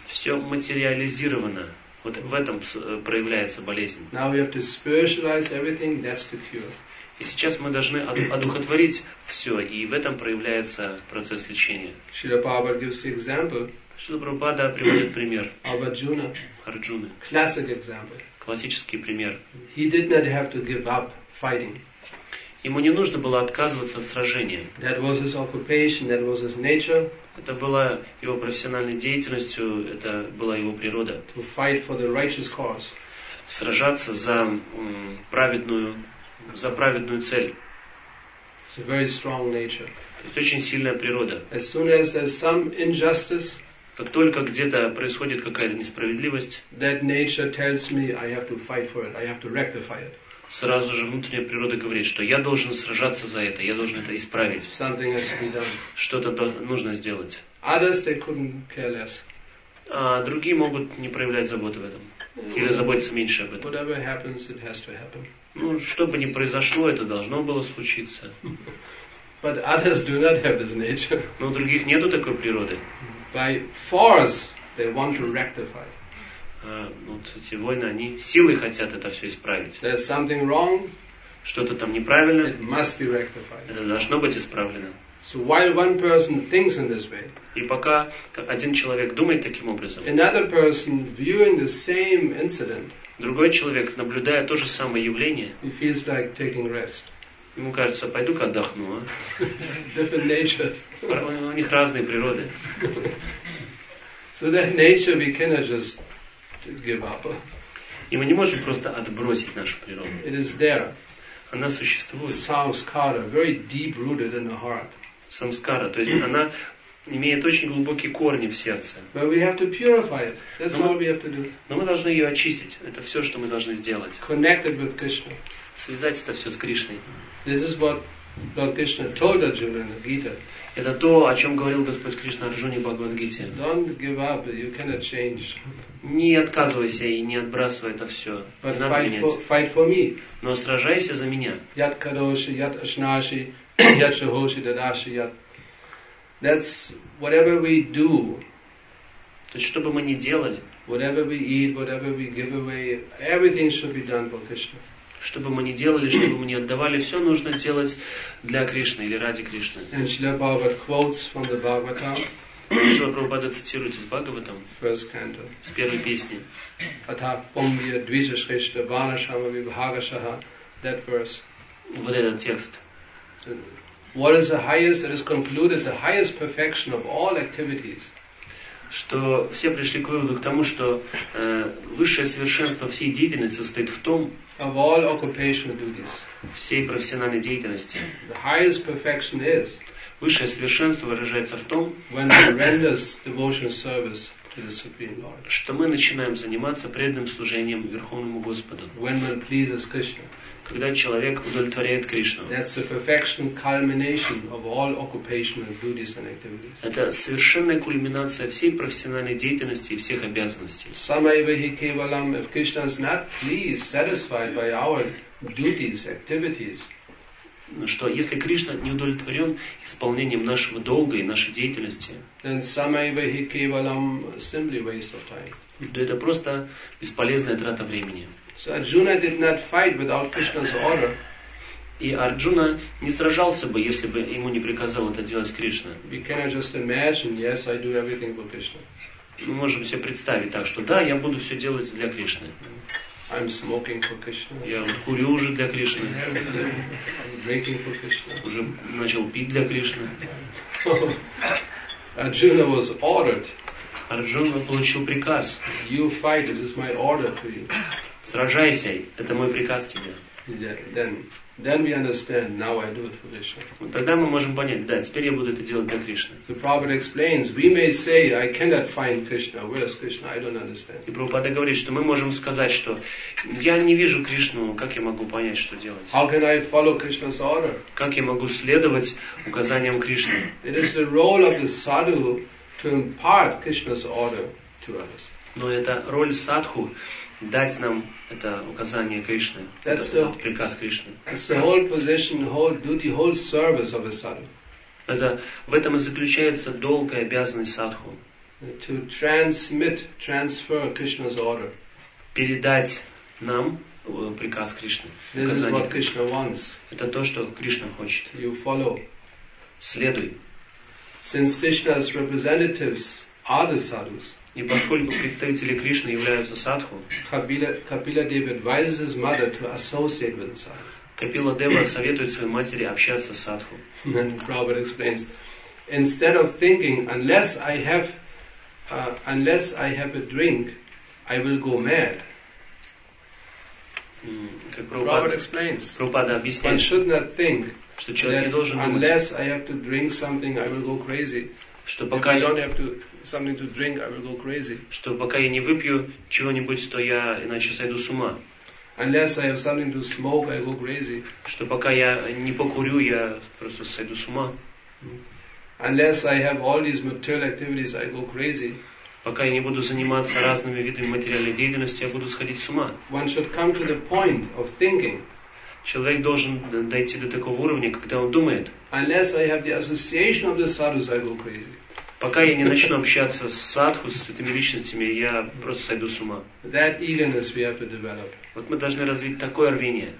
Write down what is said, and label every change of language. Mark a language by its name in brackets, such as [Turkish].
[Russian] Все материализировано. Вот в этом проявляется болезнь. [English] Now we have to spiritualize everything. That's the cure. [Russian] И сейчас мы должны одухотворить все, и в этом проявляется процесс лечения. Шрила Прабхупада [English] gives the example. [Russian] Шрила Прабхупада приводит пример. [English] Of Arjuna. [Russian] Арджуны. [English] Classic example. [Russian] Классический пример. [English] He did not have to give up fighting. [Russian] Ему не нужно было отказываться от сражения. [English] That was his occupation, that was his nature. [Russian] Это была его профессиональной деятельностью, это была его природа. [English] To fight for the righteous cause. [Russian] Сражаться за праведную цель. [English] It's a very strong nature. [Russian] Это очень сильная природа. [English] As soon as there's some injustice, [Russian] как только где-то происходит какая-то несправедливость, [English] that nature tells me I have to fight for it, I have to rectify it. [Russian] Сразу же внутренняя природа говорит, что я должен сражаться за это, я должен это исправить. [English] Something has to be done. [Russian] Что-то нужно сделать. [English] Others, they couldn't care less. [Russian] А другие могут не проявлять заботы в этом. Или заботиться меньше об этом. [English] Whatever happens, it has to happen. [Russian] Ну, что бы ни произошло, это должно было случиться. [English] But others do not have this nature. [Russian] Но у других нету такой природы. [English] By force, they want to rectify. [Russian] Вот эти войны, они силой хотят это все исправить. [English] There's something wrong. [Russian] Что-то там неправильно. [English] It must be rectified. [Russian] Это должно быть исправлено. [English] So while one person thinks in this way, [Russian] и пока один человек думает таким образом, [English] another person viewing the same incident, [Russian] другой человек, наблюдая то же самое явление, [English] he feels like taking rest. [Russian] Ему кажется, пойду-ка отдохну. А? [English] It's different natures. [Russian] У них разные природы. [English] So that nature we cannot just to give up. [Russian] И мы не можем просто отбросить нашу природу. [English] It is there. [Russian] Она существует. [English] Samskara, very deep rooted in the heart. [Russian] Самскара, то есть она имеет очень глубокие корни в сердце. [English] But we have to purify it. That's all we have to do. [Russian] Но мы должны ее очистить. Это все, что мы должны сделать. [English] Connected with Krishna. [Russian] Связать это все с Кришной. [English] This is what Lord Krishna told Arjuna in the Gita. [Russian] Это то, о чем говорил Господь Кришна Арджуне в Бхагавад-гите. [English] Don't give up. You cannot change. [Russian] Не отказывайся и не отбрасывай это все. [English] But fight for me. [Russian] Но сражайся за меня. [Sanskrit] Яд кадоши, яд ашнаши, яд шахоши, дадаши, яд... [English] That's whatever we do. [Russian] То есть, что бы мы ни делали. [English] Whatever we eat, whatever we give away, everything should be done for Krishna. [Russian] Что бы мы ни делали, что бы мы ни отдавали, все нужно делать для Кришны или ради Кришны. [English] And Shrila Prabhupada quotes from the Bhagavatam. [Russian] Шрила Прабхупада цитирует из Бхагаватам. [English] First canto. [Russian] С первой песни. [Sanskrit] Atha om vya dvija shrishta vana shama vibhagashaha. [English] That verse. [Russian] Вот этот текст. [English] What is the highest, it is concluded, the highest perfection of all activities. [Russian] Что все пришли к выводу к тому, что высшее совершенство всей деятельности состоит в том, [English] of all occupational duties. [Russian] Всей профессиональной деятельности. [English] The highest perfection is. [Russian] Высшее совершенство выражается в том, [English] when we render devotional service to the Supreme Lord. [Russian] Что мы начинаем заниматься преданным служением Верховному Господу. [English] When one pleases Krishna. [Russian] Когда человек удовлетворяет Кришну. [English] That's the perfection culmination of all occupational duties and activities. [Russian] Это совершенная кульминация всей профессиональной деятельности и всех обязанностей. [Sanskrit] Samayavahi kevalam, [English] if Krishna is not pleased, satisfied by our duties, activities. [Russian] что если Кришна не удовлетворен исполнением нашего долга и нашей деятельности, то это просто бесполезная трата времени. [English] So Arjuna did not fight without Krishna's order. [Russian] И Арджуна не сражался бы, если бы ему не приказал это делать Кришна. [English] We cannot just imagine, yes, I do everything for Krishna. [Russian] Мы можем себе представить так, что да, я буду все делать для Кришны. [English] I'm smoking for Krishna. [Russian] Я курю уже для Кришны. [English] I'm drinking for Krishna. [Russian] Уже начал пить для Кришны. [English] Arjuna was ordered. [Russian] Арджуна получил приказ. [English] You fight, this is my order to you. [Russian] Сражайся, это мой приказ тебе. [English] Yeah, then we understand, now I do it for Krishna. [Russian] Вот тогда мы можем понять, да, теперь я буду это делать для Кришны. [English] The Prabhupada explains, we may say, I cannot find Krishna, where is Krishna, I don't understand. [Russian] И Прабхупада говорит, что мы можем сказать, что я не вижу Кришну, как я могу понять, что делать? [English] How can I follow Krishna's order? [Russian] Как я могу следовать указаниям Кришны? [English] It is the role of the sadhu to impart Krishna's order to others. [Russian] Но это роль садху, дать нам это указание Кришны, этот приказ Кришны. [English] That's the whole position, whole duty, whole service of a sadhu. [Russian] Это в этом и заключается долг и обязанность садху. [English] To transfer Krishna's order. [Russian] Передать нам приказ Кришны. [English] This is what Krishna wants. [Russian] Это то, что Кришна хочет. [English] You follow. [Russian] Следуй. [English] Since Krishna's representatives are the sadhus. [Russian] И поскольку представители Кришны являются садху, Капила Дева советует своей матери общаться с садху. [English] And Prabhupada explains, instead of thinking, unless I have a drink, I will go mad. Prabhupada explains, one should not think that unless I have to drink something, I will go crazy. [Russian] Что пока [English] I don't have to something to drink, I will go crazy. [Russian] Что пока я не выпью чего-нибудь, то я иначе сойду с ума. [English] Unless I have something to smoke, I go crazy. [Russian] Что пока я не покурю, я просто сойду с ума. [English] Unless I have all these material activities, I go crazy. [Russian] Пока я не буду заниматься разными видами материальной деятельности, я буду сходить с ума. [English] One should come to the point of thinking. [Russian] Человек должен дойти до такого уровня, когда он думает. [English] Unless I have the association of the sadhus, I go crazy. [Russian] Пока я не начну общаться с садху, с этими личностями, я просто сойду с ума. [English] That eagerness we have to develop. [Russian] Вот мы должны развить такое рвение.